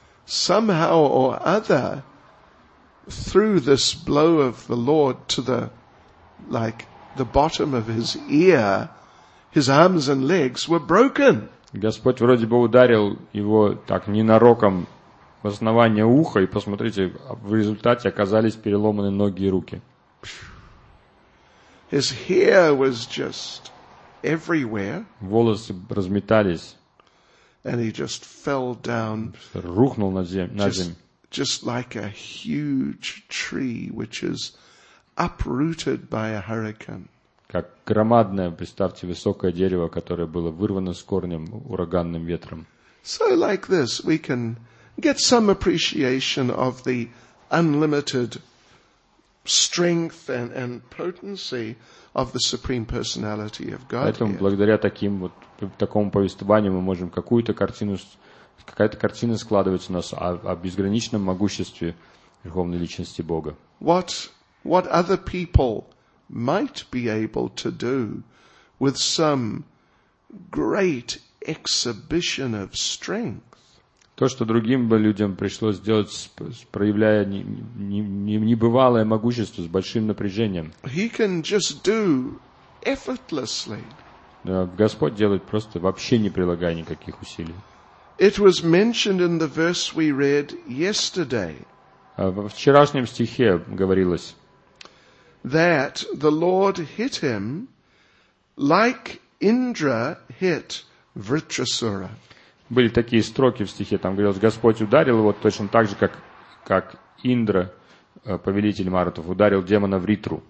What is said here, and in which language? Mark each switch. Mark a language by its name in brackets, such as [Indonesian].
[English] Somehow or other, through this blow of the Lord to the like the bottom of his ear, his arms and legs were broken. [Russian] Господь вроде бы ударил его так ненароком в основание уха, и посмотрите, в результате оказались переломаны ноги и руки. [English] His hair was just everywhere. [Russian] Волосы разметались. [English] And he just fell down. [Russian] Рухнул на землю. [English] Just like a huge tree, which is uprooted by a hurricane. [Russian] Как громадное, представьте, высокое дерево, которое было вырвано с корнем ураганным ветром. [English] So like this, we can get some appreciation of the unlimited strength and potency of the Supreme Personality of Godhead. [Russian] Поэтому благодаря таким вот такому повествованию мы можем какая-то картина складывать у нас о безграничном могуществе Верховной Личности Бога. [English] What other people might be able to do with some great exhibition of strength. [Russian] То, что другим бы людям пришлось делать, проявляя небывалое могущество с большим напряжением. [English] He can just do effortlessly. [Russian] Господь делает просто, вообще не прилагая никаких усилий. [English] It was mentioned in the verse we read yesterday. [Russian] В вчерашнем стихе говорилось, [English] that the Lord hit him like Indra hit Vritrasura. [Russian] Были такие строки в стихе, там говорилось, Господь ударил его точно так же, как Индра, повелитель Маратов, ударил демона Вритру.